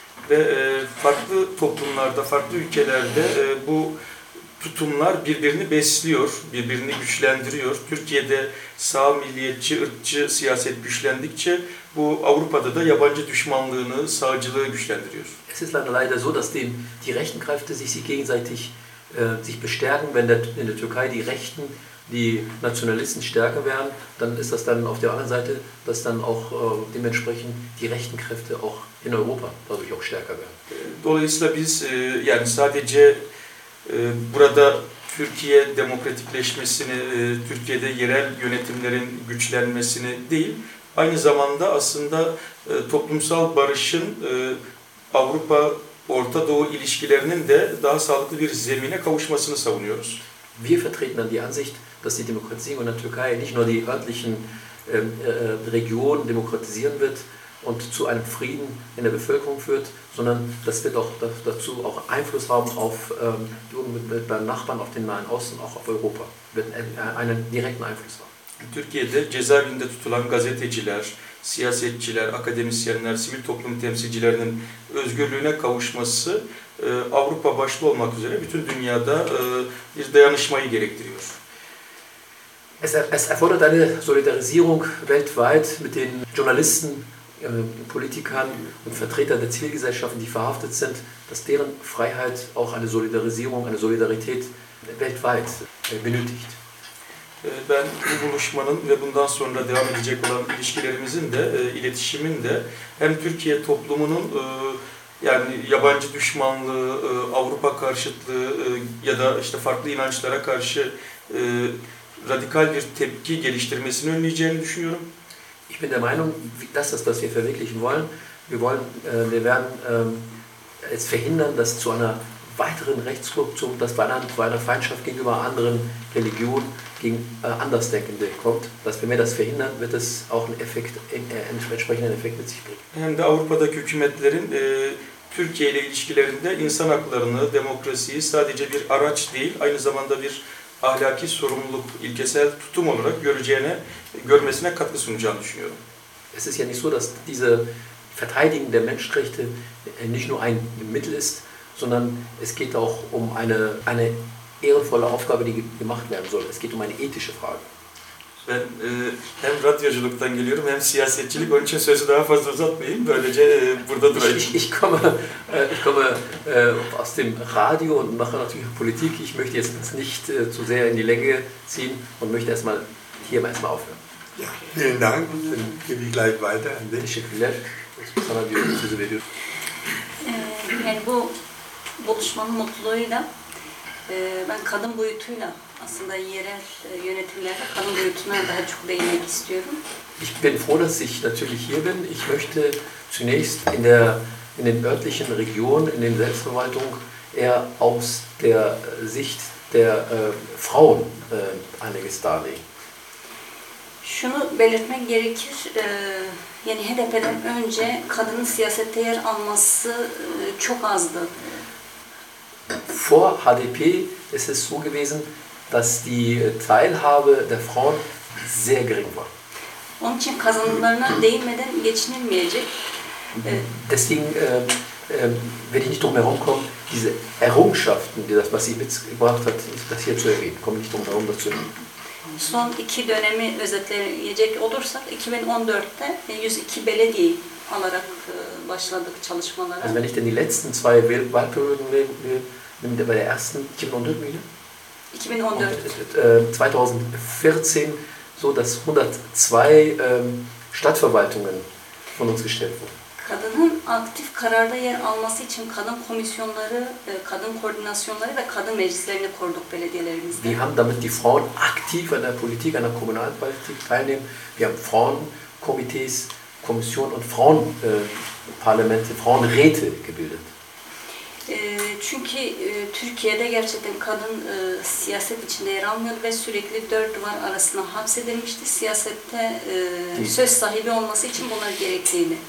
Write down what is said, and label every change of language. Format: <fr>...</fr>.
<tr>Ve farklı toplumlarda, farklı ülkelerde bu tutumlar birbirini besliyor, birbirini güçlendiriyor. Türkiye'de sağ milliyetçi, ırkçı siyaset güçlendikçe bu Avrupa'da da yabancı düşmanlığını, sağcılığı güçlendiriyor.</tr> <de>Es ist leider so, dass die rechten Kräfte sich gegenseitig sich bestärken, wenn in der Türkei die rechten die Nationalisten stärker werden, dann ist das dann auf der anderen Seite, dass dann auch dementsprechend die rechten Kräfte auch in Europa dadurch auch stärker werden.</de> <tr>Dolayısıyla biz yani sadece burada Türkiye demokratikleşmesini, Türkiye'de yerel yönetimlerin güçlenmesini değil, aynı zamanda aslında toplumsal barışın Avrupa-Orta Doğu ilişkilerinin de daha sağlıklı bir zemine kavuşmasını savunuyoruz.</tr> <de>Wir vertreten dann die Ansicht, dass die Demokratisierung in der Türkei nicht nur die örtlichen Regionen demokratisieren wird und zu einem Frieden in der Bevölkerung führt, sondern das wird auch dazu auch Einfluss haben auf beim Nachbarn, auf den Nahen Osten, auch auf Europa. Wird einen direkten Einfluss haben.</de> <tr>Türkiye'de cezaevinde tutulan gazeteciler, siyasetçiler, akademisyenler, sivil toplum temsilcilerinin özgürlüğüne kavuşması Avrupa başta olmak üzere bütün dünyada bir dayanışmayı gerektiriyor.</tr> <de>Es erfordert eine Solidarisierung weltweit mit den Journalisten, Politikern und Vertretern der Zivilgesellschaften, die verhaftet sind, dass deren Freiheit auch eine Solidarisierung, eine Solidarität weltweit benötigt.</de> <tr>Ben bu buluşmanın ve bundan sonra devam edecek olan ilişkilerimizin de, iletişimin de hem Türkiye toplumunun yani yabancı düşmanlığı, Avrupa karşıtlığı ya da işte farklı inançlara karşı radikal bir tepki geliştirmesini önleyeceğini düşünüyorum.</tr> <de>Ich bin der Meinung, das ist das, was wir verwirklichen wollen. Wir werden es verhindern, dass zu einer weiteren Rechtskorruption, dass bei einer Feindschaft gegenüber anderen Religionen, gegen Andersdenkende kommt. Dass wir mehr das verhindern, wird es auch einen Effekt, einen entsprechenden Effekt mit sich bringen.</de> <tr>Hem de Avrupa'daki hükümetlerin Türkiye ile ilişkilerinde insan haklarını, demokrasiyi sadece bir araç değil, aynı zamanda bir ahlaki sorumluluk, ilkesel tutum olarak görmesine katkı sunacağını düşünüyorum.</tr> <de>Es ist ja nicht so, dass diese Verteidigung der Menschenrechte nicht nur ein Mittel ist, sondern es geht auch um eine ehrenvolle Aufgabe, die gemacht werden soll. Es geht um eine ethische Frage.</de> <tr>Ben hem radyoculuktan geliyorum hem siyasetçilik, onun için sözü daha fazla uzatmayayım, böylece burada durayım.</tr> <de>Ich komme aus dem Radio und mache natürlich Politik. Ich möchte jetzt nicht zu sehr in die Länge ziehen und möchte erstmal hier erstmal aufhören. Ja, vielen Dank. Dann gebe ich gleich weiter an dich.</de> <tr>Teşekkürler. Sana diyorum sözü veriyorum. Yani bu buluşmanın mutluluğuyla ben kadın boyutuyla aslında yerel yönetimlerde kadın boyutuna daha çok değinmek istiyorum.</tr> <de>Ich bin froh, dass ich natürlich hier bin. Ich möchte zunächst in den örtlichen Regionen, in den Selbstverwaltung eher aus der Sicht der Frauen einiges darlegen.</de> <tr>Şunu belirtmek gerekir, yani HDP'den önce kadının siyasette yer alması çok azdı.</tr> <de>Vor HDP ist es so gewesen, dass die Teilhabe der Frauen sehr gering war.</de> <tr>Onun için kazanımlarına değinmeden geçinilmeyecek.</tr> <de>Deswegen werde ich nicht drum herum kommen, diese Errungenschaften, die das, was sie mitgebracht hat, das hier zu erwähnen. Komme nicht drum herum, das zu erwähnen.</de> <tr>Son iki dönemi özetleyecek olursak, 2014'te 102 belediyeyi alarak başladık çalışmalara.</tr> <de>Also wenn ich denn die letzten zwei Wahlperioden nehme, bei der ersten, 2014</de> <tr>miydi?</tr> <de>2014. 2014, so dass 102 Stadtverwaltungen von uns gestellt wurden.</de> <tr>Kadının aktif kararda yer alması için kadın komisyonları, kadın koordinasyonları ve kadın meclislerini kurduk belediyelerimizde.</tr> <de>Wir haben damit die Frauen aktiv an der Politik, an der Kommunalpolitik teilnehmen. Wir haben Frauenkomitees, Kommission und Frauenparlamente, Frauenräte gebildet.</de> <tr>Çünkü Türkiye'de gerçekten kadın siyaset içinde yer almıyordu ve sürekli dört duvar arasına hapsedilmişti. Siyasette söz sahibi olması için bunlar gerektiğini.</tr>